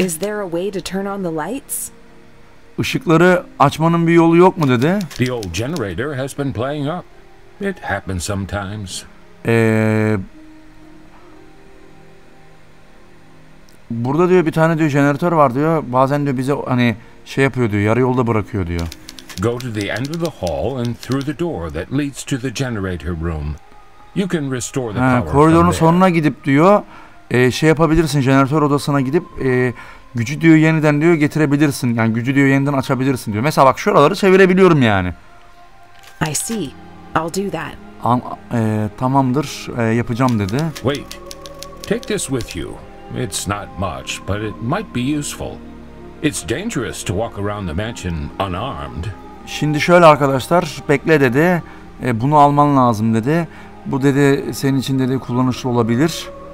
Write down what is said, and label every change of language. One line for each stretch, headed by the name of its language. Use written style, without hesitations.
English: Is there a way to turn on the lights?
Turkish: Işıkları açmanın bir yolu yok mu dedi?
English: The old generator has been playing up. It happens sometimes.
Turkish: Burada diyor bir tane diyor jeneratör var diyor. Bazen diyor bize hani şey yapıyor diyor. Yarı yolda bırakıyor diyor.
English: Go to the end of the hall and through the door that leads to the generator room. You can restore the power.
Turkish: Koridorun sonuna gidip diyor şey yapabilirsin, jeneratör odasına gidip gücü diyor yeniden diyor getirebilirsin. Yani gücü diyor yeniden açabilirsin diyor. Mesela bak şuraları çevirebiliyorum yani.
English: I see. I'll do that.
Turkish: Tamamdır. Yapacağım dedi.
English: Wait. Take this with you. It's not much, but it might be useful. It's dangerous to walk around the mansion unarmed.
Turkish: Şimdi şöyle arkadaşlar, bekle dedi. Bunu alman lazım dedi. Bu dedi senin için dedi kullanışlı olabilir.